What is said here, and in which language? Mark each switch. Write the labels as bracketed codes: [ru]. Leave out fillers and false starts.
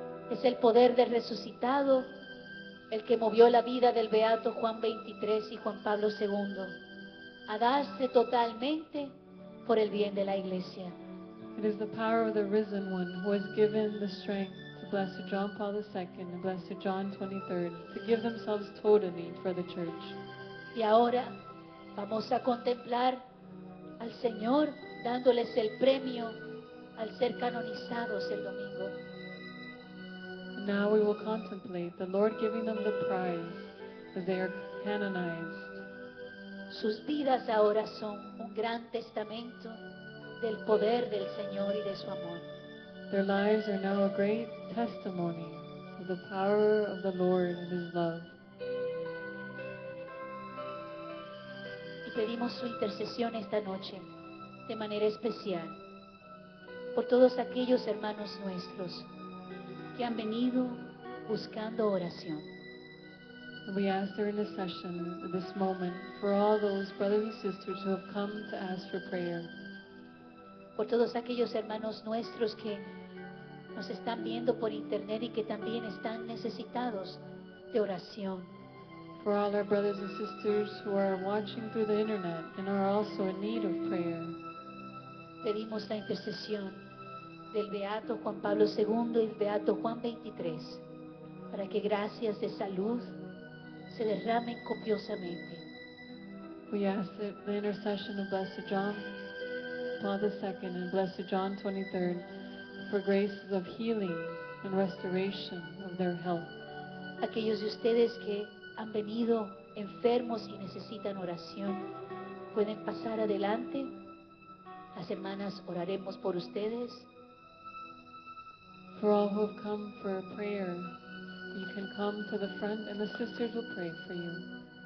[es] Es el poder del resucitado el que movió la vida del Beato Juan 23 y Juan Pablo II a darse totalmente por el bien de la iglesia. [en] It is the power of the risen one who has given the strength to Blessed John Paul II and Blessed John 23rd to give themselves totally for the church. [es] Y ahora vamos a contemplar al Señor dándoles el premio al ser canonizados el domingo. [en] Now we will contemplate the Lord giving them the prize as they are canonized. [es] Sus vidas ahora son un gran testamento del poder del Señor y de su amor. [en] Their lives are now a great testimony of the power of the Lord and His love. [es] Y pedimos su intercesión esta noche de manera especial por todos aquellos hermanos nuestros que han venido buscando oración. [en] We ask their intercession at this moment for all those brothers and sisters who have come to ask for prayer. [es] Por todos aquellos hermanos nuestros que nos están viendo por internet y que también están necesitados de oración. [en] For all our brothers and sisters who are watching through the internet and are also in need of prayer. [es] Pedimos la intercesión del Beato Juan Pablo II y el Beato Juan 23 para que gracias de salud se derramen copiosamente. [en] We ask the intercession of Blessed John Paul II and Blessed John 23rd for graces of healing and restoration of their health. [es] Aquellos de ustedes que han venido enfermos y necesitan oración pueden pasar adelante. Las hermanas oraremos por ustedes. [en] For all who have come for a prayer, you can come to the front and the sisters will pray for you.